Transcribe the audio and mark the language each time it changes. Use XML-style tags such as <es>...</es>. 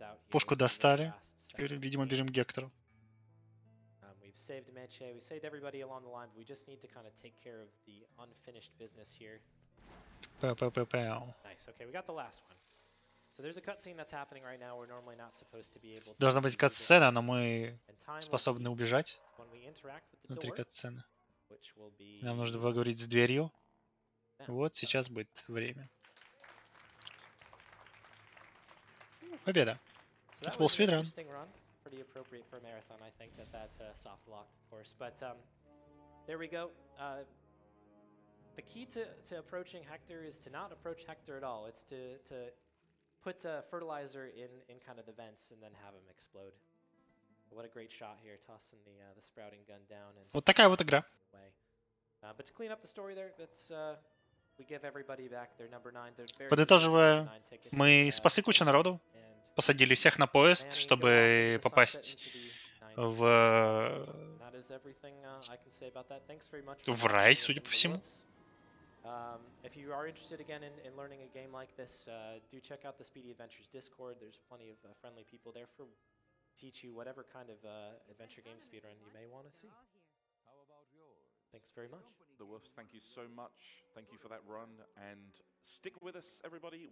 <ru>Пушку достали, теперь, видимо, бежим к Гектору.</ru> <en>Saved Meche, we saved everybody along the line, but we just need to kind of take care of the unfinished business here. Pow. Nice, okay, we got the last one. So there's a cutscene that's happening right now, we're normally not supposed to be able to...</en> <ru>Должна быть катсцена, но мы способны убежать.</ru> <en>When we interact with the</en> <ru>внутри</ru> <en>door, катсцены. Which will be...</en> <ru>Нам нужно поговорить с дверью. Yeah. Вот, сейчас будет время. Победа.</ru> <en>So that was an interesting run. Pretty appropriate for a marathon, I think that's soft locked, of course. But there we go. The key to approaching Hector is to not approach Hector at all. It's to put fertilizer in kind of the vents and then have him explode. What a great shot here, tossing the sprouting gun down. And</en> <ru>вот такая вот игра.</ru> <en>But to clean up the story there, that's we give everybody back their number nine.</en> <ru>Подытоживая, мы спасли кучу народу. Посадили всех на поезд, чтобы попасть в рай, судя по всему.</ru> <en>If you are interested again in learning a game like this, do check out the Speedy Adventures Discord. There's plenty of friendly people there for teach you whatever kind of adventure game speedrun you may want to see. Thanks very much. The Wolves, thank you so much. Thank you for that run. And stick with us, everybody.</en>